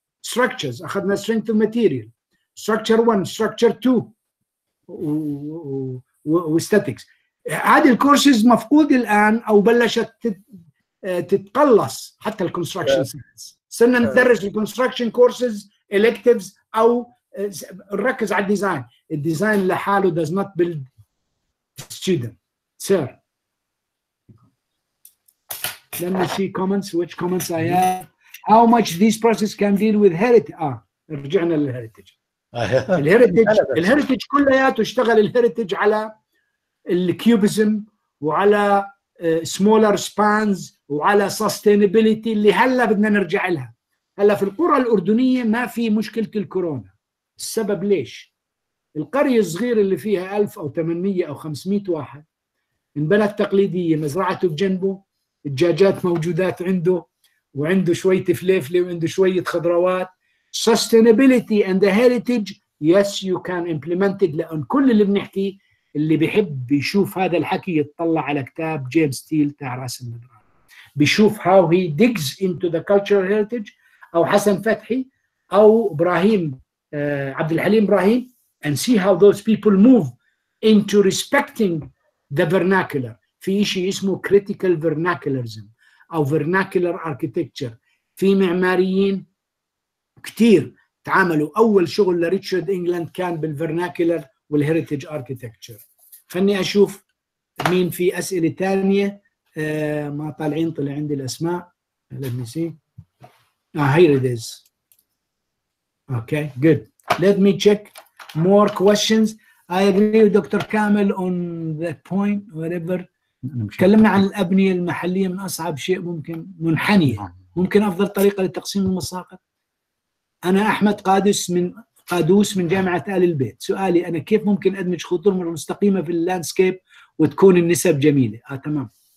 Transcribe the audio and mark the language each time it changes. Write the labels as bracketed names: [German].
[Arabic] ستراكشرز اخذنا سترينث اوف ماتيريال structure 1 structure 2 واستاتكس. هذه الكورسز مفقود الان او بلشت تتقلص حتى الكونستراكشن ساينس. صرنا ندرس الكونستراكشن كورسز electives او نركز على الديزاين. الديزاين لحاله [English] does not build student. سير let me see comments which comments I have. How much these processes can deal with heritage. [Arabic] رجعنا للهيريتج. الهيريتج كلياته اشتغل الهيريتج على الكيوبيزم وعلى سمولر سبانز وعلى سستينابيليتي اللي هلا بدنا نرجع لها. هلا في القرى الاردنيه ما في مشكله الكورونا. السبب ليش؟ القريه الصغيره اللي فيها 1000 او 800 او 500 واحد من بلد تقليديه مزرعته بجنبه الدجاجات موجودات عنده وعنده شويه فليفله وعنده شويه خضروات. [English] Sustainability and the heritage, yes, you can implement it. [Arabic] لأن كل اللي بنحكي اللي بيحب يشوف هذا الحكي يطلع على كتاب جيمس تيل تاع رأس المدرسة. بيشوف [English] how he digs into the cultural heritage أو حسن فتحي أو إبراهيم عبد الحليم إبراهيم and see how those people move into respecting the vernacular. [Arabic] في إشي اسمه critical vernacularism أو vernacular architecture. في معماريين كتير تعاملوا. أول شغل لريتشارد إنجلاند كان بالفرناكلر والهيريتج أركيتكتشر. خلني أشوف مين في أسئلة تانية. ما طالعين طلع عندي الأسماء. [English] Let me see. Here it is. Okay, good. Let me check more questions. I agree with Dr. Kamel on the point, whatever. [Arabic] تكلمنا عن الأبنية المحلية من أصعب شيء ممكن منحنية. ممكن أفضل طريقة لتقسيم المساقط. أنا أحمد قادوس من جامعة آل البيت. سؤالي أنا كيف ممكن أدمج خطوط مستقيمة في اللاندسكيب وتكون النسب جميلة؟ تمام.